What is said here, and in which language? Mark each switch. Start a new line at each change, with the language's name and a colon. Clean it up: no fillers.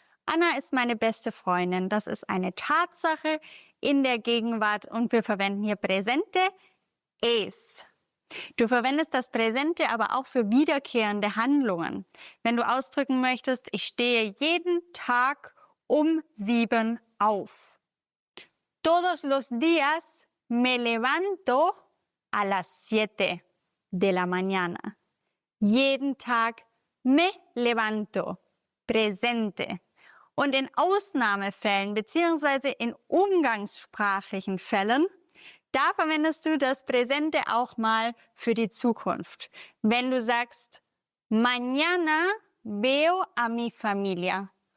German: Anna ist meine beste Freundin. Das ist eine Tatsache in der Gegenwart und wir verwenden hier Präsente, es. Du verwendest das Präsente aber auch für wiederkehrende Handlungen. Wenn du ausdrücken möchtest, ich stehe jeden Tag um 7 auf.
Spanish: Todos los días me levanto a las 7 de la mañana.
German: Jeden Tag
Spanish: me levanto,
German: Präsente. Und in Ausnahmefällen bzw. in umgangssprachlichen Fällen, da verwendest du das Präsente auch mal für die Zukunft. Wenn du sagst,
Spanish: mañana veo a mi familia.